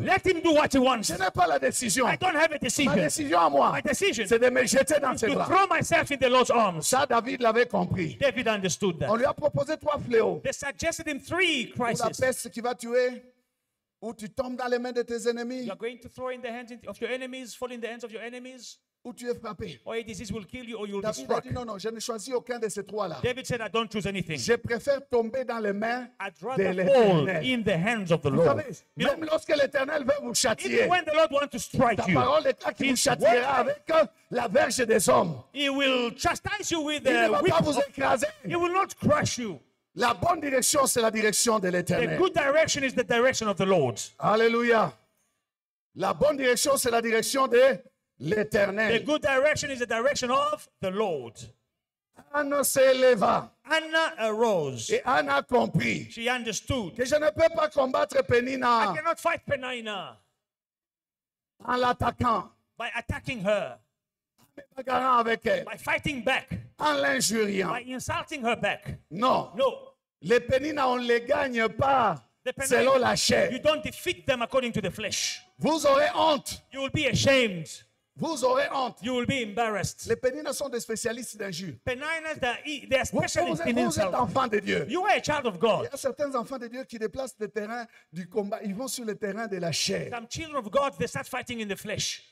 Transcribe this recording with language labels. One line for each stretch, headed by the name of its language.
English: Let him do what he wants.
French: Je n'ai pas la décision.
English: I don't have a decision.
French: Ma décision à moi,
English: my decision,
French: c'est de me jeter dans ses
English: to
French: bras.
English: Throw myself in the Lord's arms.
French: Ça, David l'avait compris.
English: David understood that.
French: On lui a proposé trois fléaux.
English: They suggested him three crises.
French: Ou la peste qui va tuer. Ou tu tombes dans les mains de tes ennemis.
English: You're going to throw in the hands of your enemies, fall in the hands of your enemies.
French: Ou tu es frappé.
English: Or a disease will kill you, or you'll be struck.
French: David dit, non, je ne choisis aucun de ces trois-là.
English: David said, I don't choose anything.
French: Je préfère tomber dans les mains de l'Éternel.
English: I'd rather fall in the hands of the Lord.
French: Vous savez, même lorsque l'Éternel veut vous châtier,
English: even when the Lord wants to strike you,
French: ta parole est là qui vous châtiera avec la verge des hommes.
English: He will chastise you with the
French: whip. Il ne va pas vous écraser.
English: He will not crush you.
French: La bonne direction, c'est la direction de l'Éternel.
English: The good direction is the direction of the Lord. Alléluia.
French: La bonne direction, c'est la direction de l'Éternel.
English: The good direction is the direction of the Lord.
French: Anna s'éleva.
English: Anna arose.
French: Et Anna comprit.
English: She understood.
French: Que je ne peux pas combattre Penina.
English: I cannot fight Penina.
French: En l'attaquant.
English: By attacking her.
French: Avec elle,
English: by fighting back,
French: en l'injuriant,
English: by insulting her back.
French: Non.
English: No.
French: Les Pénina, on ne les gagne pas Pénina, selon la chair.
English: You don't defeat them according to the flesh.
French: Vous aurez honte.
English: You will be ashamed.
French: Vous aurez honte.
English: You will be embarrassed.
French: Les Pénina sont des spécialistes d'injures.
English: Pénina, they are specialists in insults.
French: Vous êtes enfant de Dieu.
English: You are a child of God.
French: Il y a certains enfants de Dieu qui déplacent le terrain du combat. Ils vont sur le terrain de la chair.
English: Some children of God, they start fighting in the flesh.